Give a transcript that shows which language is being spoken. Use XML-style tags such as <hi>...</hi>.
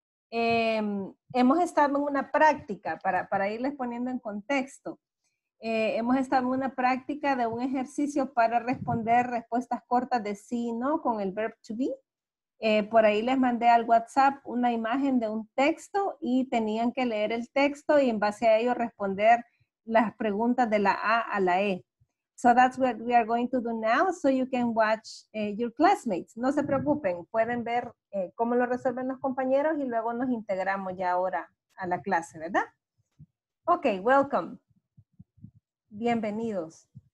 <es>Hemos estado en una práctica, para irles poniendo en contexto, hemos estado en una práctica de un ejercicio para responder respuestas cortas de sí y no con el verb to be. Por ahí les mandé al WhatsApp una imagen de un texto y tenían que leer el texto y en base a ello responder las preguntas de la A a la E.</es> <en>So that's what we are going to do now, so you can watch your classmates.</en> <es>No se preocupen, pueden ver cómo lo resuelven los compañeros y luego nos integramos ya ahora a la clase, ¿verdad?</es> <en>Okay, welcome.</en> <es>Bienvenidos.</es>